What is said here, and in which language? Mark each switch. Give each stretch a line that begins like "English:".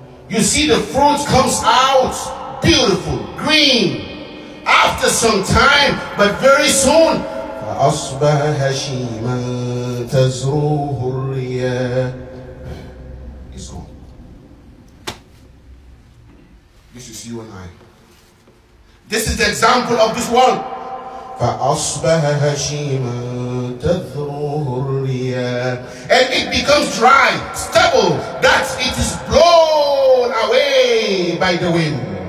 English: You see, the fruit comes out beautiful, green, after some time, but very soon.
Arabic: فَأَصْبَحَ هَشِيمًا تَزْرُوهُ الرِّيَاحُ.
English: It's gone. This is you and I. This is the example of this world.
Arabic: فأصبح هشيما تذروه الرياح.
English: And it becomes dry, stubble, that it is blown away by the wind.